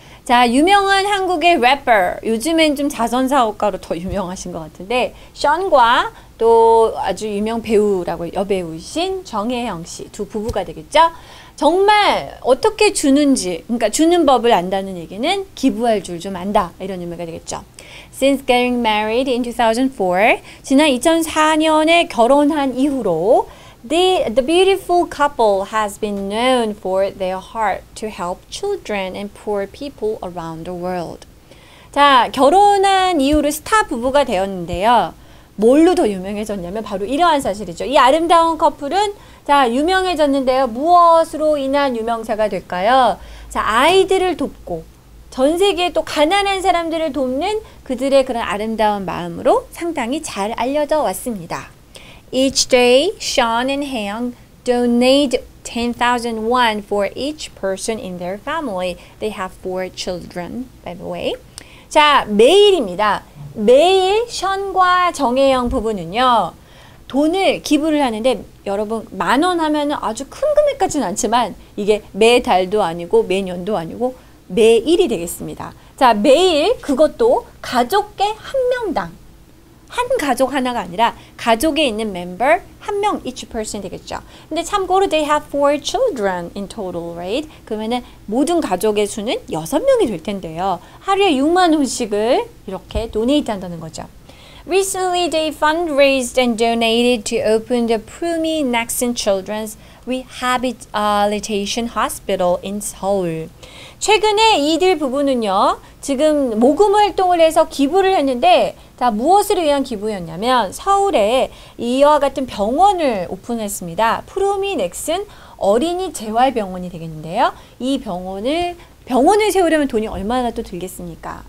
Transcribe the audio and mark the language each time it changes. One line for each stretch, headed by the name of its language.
Korean: 자, 유명한 한국의 래퍼, 요즘엔 좀 자선사업가로 더 유명하신 것 같은데 션과 또 아주 유명 배우라고 여배우신 정혜영 씨 두 부부가 되겠죠? 정말 어떻게 주는지, 그러니까 주는 법을 안다는 얘기는 기부할 줄 좀 안다 이런 의미가 되겠죠.
English: Since getting married in 2004,
Korean: 지난 2004년에 결혼한 이후로
English: The beautiful couple has been known for their heart to help children and poor people around the world.
Korean: 자, 결혼한 이후로 스타 부부가 되었는데요. 뭘로 더 유명해졌냐면 바로 이러한 사실이죠. 이 아름다운 커플은 자, 유명해졌는데요. 무엇으로 인한 유명세가 될까요? 자, 아이들을 돕고 전 세계에 또 가난한 사람들을 돕는 그들의 그런 아름다운 마음으로 상당히 잘 알려져 왔습니다.
English: Each day, Sean and Hye-young donate 10,000 won for each person in their family. They have four children, by the way.
Korean: 자, 매일입니다. 매일 션과 정혜영 부부는요, 돈을 기부를 하는데 여러분, 만 원 하면 아주 큰 금액까지는 않지만 이게 매달도 아니고 매년도 아니고 매일이 되겠습니다. 자, 매일 그것도 가족계 한 명당 한 가족 하나가 아니라 가족에 있는 멤버 한 명
English: each person
Korean: 되겠죠. 근데 참고로
English: they have four children in total, right?
Korean: 그러면은 모든 가족의 수는 6명이 될 텐데요. 하루에 6만 원씩을 이렇게 donate 한다는 거죠.
English: Recently they fundraised and donated to open the Pumi Nexon Children's Rehabilitation Hospital in Seoul.
Korean: 최근에 이들 부부는요, 지금 모금 활동을 해서 기부를 했는데, 자, 무엇을 위한 기부였냐면, 서울에 이와 같은 병원을 오픈했습니다. 프루미 넥슨 어린이 재활병원이 되겠는데요. 이 병원을 세우려면 돈이 얼마나 또 들겠습니까?